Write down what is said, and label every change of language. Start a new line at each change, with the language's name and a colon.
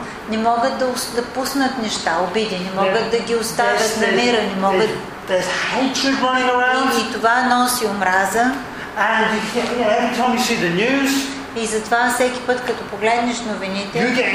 Bulgarian: Не могат да пуснат неща, обиди, не могат да ги оставят на мира, не могат.
English: There's hatred running around.
Bulgarian: И това носи омраза.
English: And every time you see the news.
Bulgarian: И затова всеки път, като погледнеш новините,